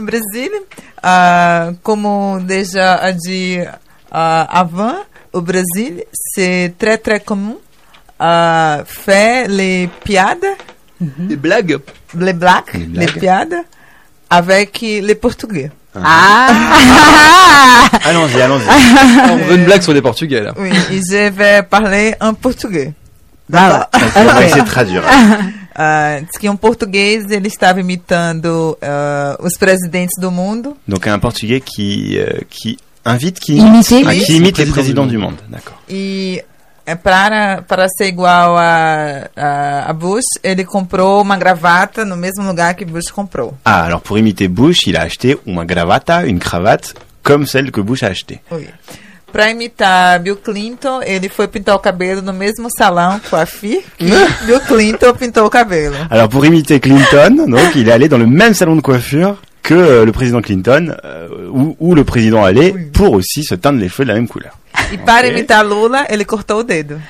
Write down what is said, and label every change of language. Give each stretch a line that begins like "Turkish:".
French: Un Brésil, comme déjà a dit avant, au Brésil, c'est très très commun faire les piades. Les blagues. Les blagues. Les piades avec les Portugais. Ah. Allons-y, allons-y. On veut une blague sur les Portugais. Oui, je vais parler en portugais. D'accord. On va essayer de traduire.
Portuguese: Diz que um português ele estava imitando os presidentes do mundo.
French: Donc un portugais qui invite qui imite les présidents du monde, d'accord.
Portuguese: E para ser igual a Bush, ele comprou uma gravata no mesmo lugar que Bush comprou.
French: Ah, alors pour imiter Bush, il a acheté une cravate comme celle que Bush a acheté. Oui.
Portuguese: Para imitar Bill Clinton, ele foi pintar o cabelo no mesmo salão com a Fih que Bill Clinton pintou o cabelo.
French: Alors pour imiter Clinton, donc il est allé dans le même salon de coiffure que le président Clinton, où le président allait pour aussi se teindre les cheveux de la même couleur.
Portuguese: E para imitar Lula, ele cortou o dedo.